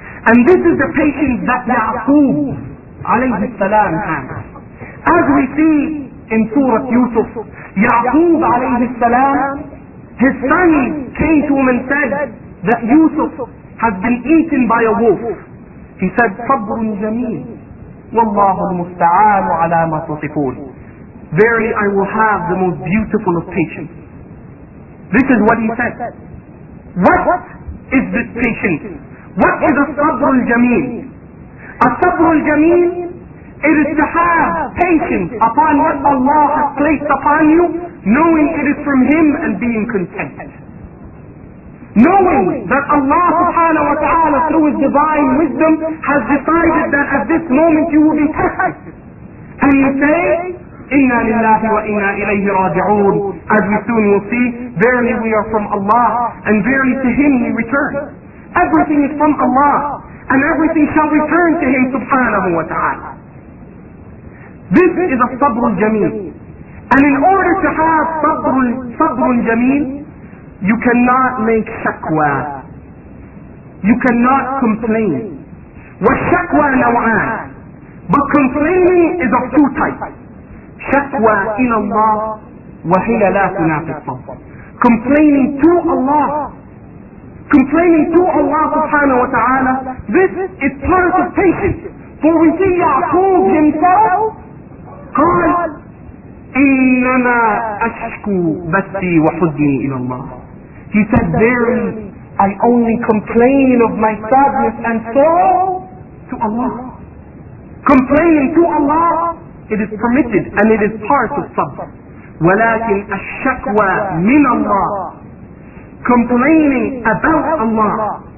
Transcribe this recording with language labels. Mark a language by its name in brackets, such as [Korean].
[English] And this is the patience that Ya'qub alayhi salam has. As we see in Surah Yusuf, Ya'qub alayhi salam, his son came to him and said that Yusuf has been eaten by a wolf. He said, [Arabic] صبر جميل والله المستعان على ما تصفون. [English] Verily I will have the most beautiful of patience. This is what he said. What is this patience? What is a صبر الجميل? A صبر الجميل, it is to have patience upon what Allah has placed upon you, knowing it is from Him and being content. Knowing that Allah subhanahu wa ta'ala through His divine wisdom has decided that at this moment you will be tested. And And he's saying, [Arabic] إِنَّا لِلَّهِ وَإِنَّا إِلَيْهِ رَاجِعُونَ. [English] As we soon will see, verily we are from Allah, and verily to Him we return. Everything is from Allah, and everything shall return to Him subhanahu wa ta'ala. This is a sabr al-jameel. And in order to have sabr al-jameel, you cannot make shakwa. You cannot complain. [Arabic] وَالشَّكْوَى نَوْعَانَ. [English] But complaining is of two types. [Arabic] شكوى إلى الله وهي لا تنافي الصبر. [English] Complaining to Allah. Complaining to Allah subhanahu wa ta'ala. This is part of patience. For we see Ya'qub himself [Arabic] قال إنما أشكو بثي وحزني إلى الله. [English] He said, verily, I only complain of my sadness and sorrow to Allah. Complaining to Allah, it is permitted and it is part of sabr. [Arabic] ولكن الشكوى من الله. [English] Complaining about Allah.